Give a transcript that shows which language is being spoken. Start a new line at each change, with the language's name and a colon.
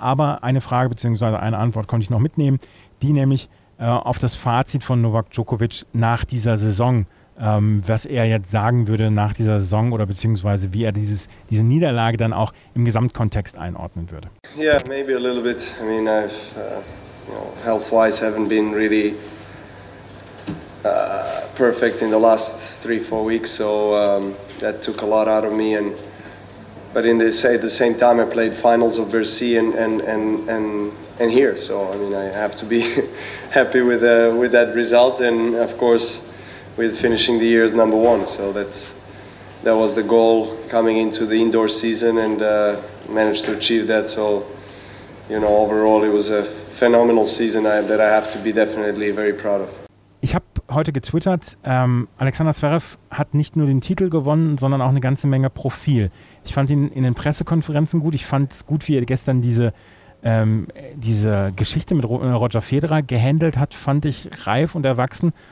German: Aber eine Frage bzw. eine Antwort konnte ich noch mitnehmen, die nämlich auf das Fazit von Novak Djokovic nach dieser Saison, was er jetzt sagen würde nach dieser Saison oder beziehungsweise wie er diese Niederlage dann auch im Gesamtkontext einordnen würde.
English: Yeah, maybe a little bit. I mean, I've health-wise haven't been really perfect in the last 3-4 weeks, so that took a lot out of me. But in the say at the same time, I played finals of Bercy and here, so I mean, I have to be happy with that result, and of course with finishing the year as number one. So that was the goal coming into the indoor season, and managed to achieve that. So, you know, overall it was a phenomenal season that I have to be definitely very proud of.
German: Ich habe heute getwittert, Alexander Zverev hat nicht nur den Titel gewonnen, sondern auch eine ganze Menge Profil. Ich fand ihn in den Pressekonferenzen gut. Ich fand es gut, wie er gestern diese Geschichte mit Roger Federer gehandelt hat, fand ich reif und erwachsen.